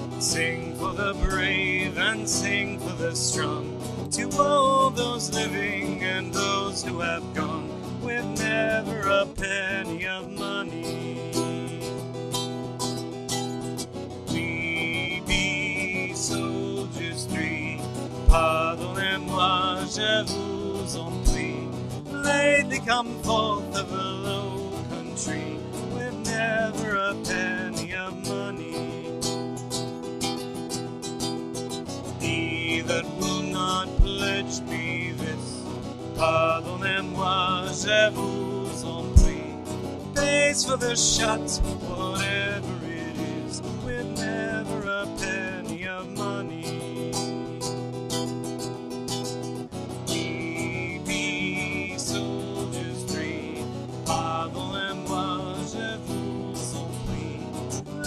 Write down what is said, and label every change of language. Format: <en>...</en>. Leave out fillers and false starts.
<en>Sing for the strong, to all those living and those who have gone, with never a penny of money. We be soldiers three,</en> <fr>pardonnez-moi, je vous en prie.</fr> <en>Lately come forth of a low country, with never a penny of money. That will not pledge me this,</en> <fr>pardonnez-moi, je vous en prie.</fr> <en>Pays for the shot, whatever it is, with never a penny of money. We be soldiers three,</en> <fr>pardonnez-moi, je vous en prie.</fr>